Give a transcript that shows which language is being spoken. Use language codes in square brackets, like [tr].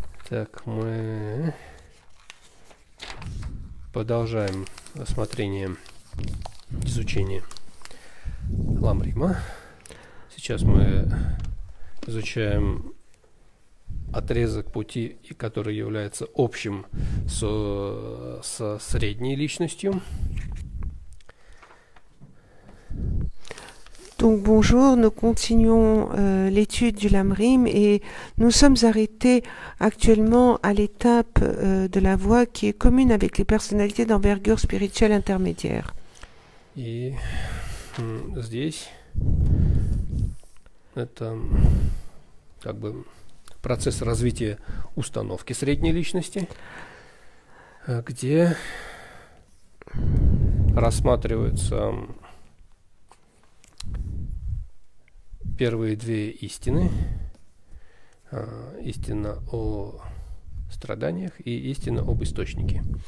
[ru] Так, мы продолжаем рассмотрение, изучение Ламрима. Сейчас мы изучаем отрезок пути, который является общим со средней личностью. [fr] Donc bonjour, nous continuons l'étude du Lamrim et nous sommes arrêtés actuellement à l'étape de la voie qui est commune avec les personnalités d'envergure spirituelle intermédiaire. [ru] Et здесь это как бы процесс развития установки средней личности, где рассматриваются первые две истины, истина о страданиях и истина об источнике.